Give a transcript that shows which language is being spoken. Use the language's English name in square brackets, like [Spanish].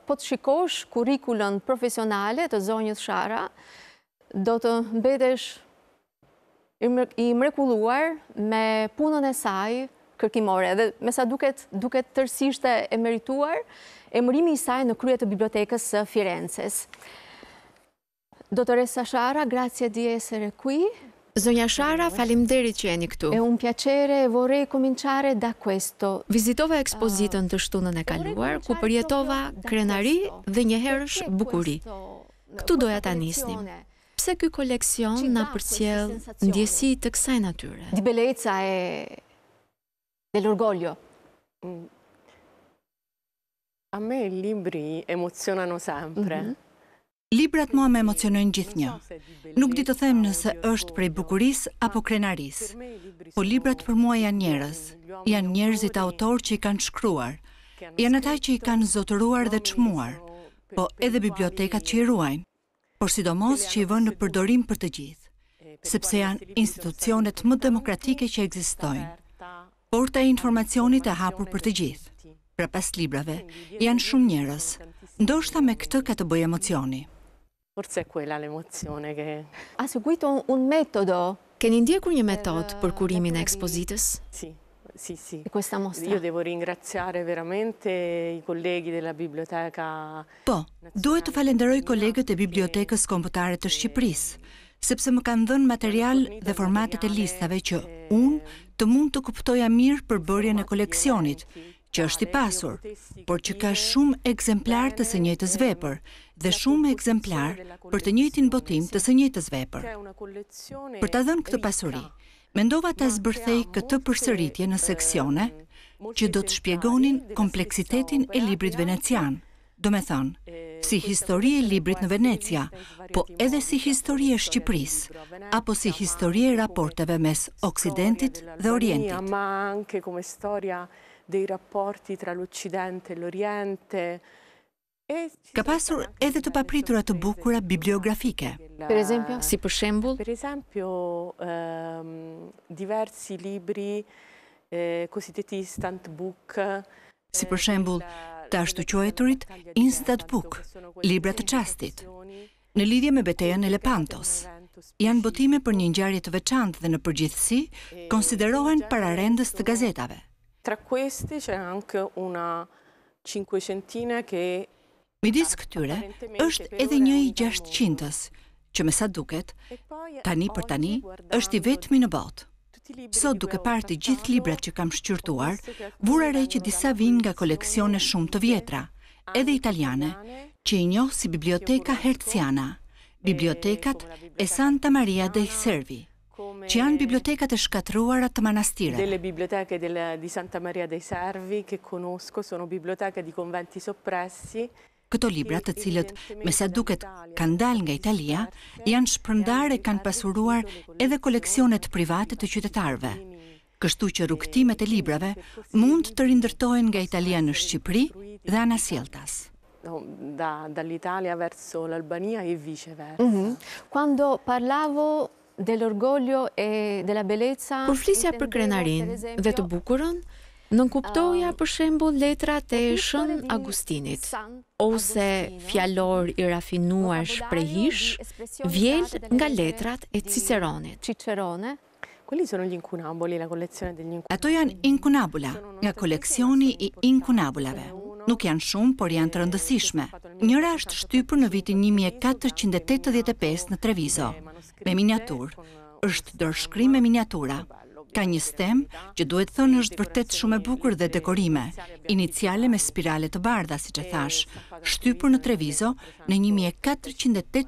[Albanian] Po të shikosh kurrikulën profesionale të zonjës Shara, do të mbetesh i mrekulluar me punën e saj kërkimore. Dhe me sa duket tërsisht e merituar, emërimi i saj në krye të Bibliotekës së Firencës. [Italian] Dottoressa Shara, grazie di essere qui. [Albanian] Zonja Shara, faleminderit që jeni këtu. [Italian] È un piacere, vorrei cominciare da questo. [Albanian] Vizitova ekspozitën të shtunën e kaluar, ku përjetova krenari dhe njëherësh bukuri. Këtu doja ta nisnim. Pse ky koleksion na përcjell ndjesi të kësaj natyre? [Italian] Di bellezza e dell'orgoglio. A me i libri emozionano sempre. [Albanian] Librat mua më emocionojnë gjithnjë. Nuk di të them nëse është prej bukurisë apo krenarisë. Po librat për mua janë njerëz. Janë njerëzit autor që i kanë shkruar. Janë ata që i kanë zotëruar dhe çmuar, po edhe bibliotekat që i ruajnë. Por sidomos që i vënë në përdorim për të gjithë, sepse janë institucionet më demokratike që ekzistojnë. Porta e informacionit e hapur për të gjithë. Pra pas librave, janë shumë njerëz. Ndoshta me këtë ka të bëjë emocioni. [Italian] Forse è quella l'emozione che ha seguito un metodo. [Albanian] Keni ndjekur një metod për kurimin e ekspozitës? [Italian] Sì, sì, sì. E questa mostra. Io devo ringraziare veramente i colleghi della biblioteca. [Albanian] Po, duhet të falenderoj kolegët e Bibliotekës Kombëtare të Shqipërisë, sepse më kanë dhënë material dhe formatet e listave që unë të mund të kuptoja mirë për bërjen e koleksionit, që është i pasur, por që ka shumë ekzemplar të së njëjtës vepër dhe shumë ekzemplar për të njëjtin botim të së njëjtës vepër. Për ta dhënë këtë pasuri, mendova ta zbërthej këtë përsëritje në seksione që do të shpjegonin kompleksitetin e librit venecian, do me thënë, si histori e librit në Venecia, po edhe si histori e Shqipërisë, apo si histori e raporteve mes Oksidentit dhe Orientit. [Italian] Ma anche come storia dei rapporti tra l'Occidente e l'Oriente. [Albanian] Ka pasur edhe të papritura të bukura bibliografike. [Italian] Per esempio, [Albanian] si për shembull, [Italian] diversi libri cosiddetti instant book. [Albanian] Si për shembull, të ashtu quajturit instant book, libra të çastit. Në lidhje me betejën e Lepantos, janë botime për një ngjarje të veçantë dhe në përgjithësi konsiderohen pararendës të gazetave. [Italian] Tra queste c'è anche una cinquecentina che [Albanian] midis këtyre është edhe një i 600-s, që me sa duket, tani për tani, është i vetmi në botë. Sot duke parë të gjithë librat që kam shqyrtuar, vura re që disa vinë nga koleksione shumë të vjetra, edhe italiane, që i njohë si Biblioteka Herciana, bibliotekat e Santa Maria dei Servi, që janë bibliotekat e shkatruara të manastireve. [Italian] Delle biblioteche di Santa Maria dei Servi che conosco sono biblioteche di conventi soppressi. [Albanian] Këto libra, të cilët me sa duket kanë dalë nga Italia, janë shpërndarë e kanë pasuruar edhe koleksionet private të qytetarëve. Kështu që rrugtimet e librave mund të rindërtohen nga Italia në Shqipëri dhe anasjelltas. [Italian] Dall'Italia verso l'Albania e viceversa. Quando parlavo dell'orgoglio e della bellezza, [Albanian] kur flisja për krenarinë dhe të bukurën, nënkuptoja për shembull letrat e Shën Agustinit ose fjalor i rafinuar shprehish vjel nga letrat e Ciceronit. [Italian] Cicerone. Quelli sono gli incunaboli, la collezione degli incunaboli. [Albanian] Ato janë incunabula, nga koleksioni i incunabulave. Nuk janë shumë, por janë të rëndësishme. Njëra është shtypur në vitin 1485 në Treviso, me miniatur, është dërshkrim me miniatura. Ka një stem që duhet thënë është vërtet shumë e bukur dhe dekorime, iniciale me spirale të bardha, si që thash, shtypur në Treviso në